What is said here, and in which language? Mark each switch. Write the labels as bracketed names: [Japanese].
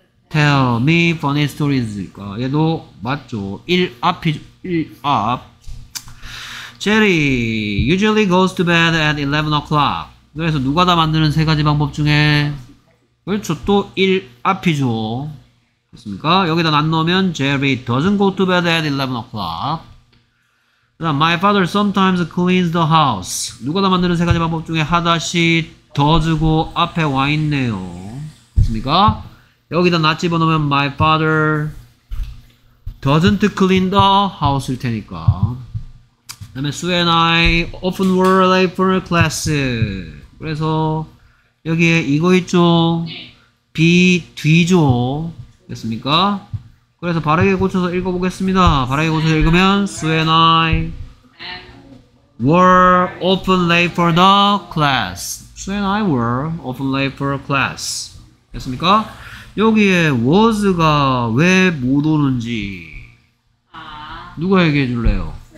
[English] Tell me funny stories. [Korean] 아, 얘도 맞죠. 1 앞이죠. 1 앞. [English] Jerry usually goes to bed at 11 o'clock. [Korean] 그래서 누가 다 만드는 세 가지 방법 중에 그렇죠. 또 1 앞이죠. 됐습니까? 여기다 not 넣으면 [English] Jerry doesn't go to bed at 11 o'clock. 그다음 My father sometimes cleans the house. [Korean] 누가 다 만드는 세 가지 방법 중에 하다시 does고 앞에 와 있네요. 됐습니까? 여기다 not 집어넣으면 [English] My father doesn't clean the house일 테니까. 그 다음에 Sue and I often were late for a class. [Korean] 그래서 여기에 이거 있죠? 네. be 뒤죠? 됐습니까? 그래서 바르게 고쳐서 읽어보겠습니다. 바르게 고쳐서 읽으면 [English] Sue and I were often late for the class. Sue and I were often late for a class. [Korean] 됐습니까? 여기에 was가 왜 못 오는지 누가 얘기해 줄래요?